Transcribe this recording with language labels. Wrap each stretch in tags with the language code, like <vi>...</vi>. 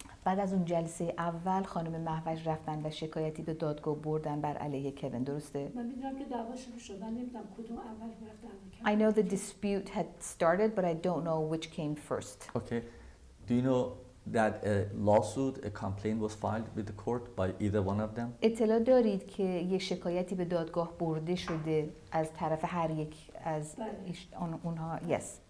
<fa>بعد از اون جلسه اول خانم مهوش رفتن و شکایتی به دادگاه بردن بر علیه کوین درسته؟ من میدونم که دعواشون شده نمیدونم کدوم اول رفتن.</fa> <en>I know the dispute had started, but I don't know which came first. Okay. Do you know that a lawsuit, a complaint was filed with the court by either one of them?</en> <fa>اطلاع دارید که یه شکایتی به دادگاه برده شده از طرف هر یک از اونها؟</fa> <en>Yes.</en>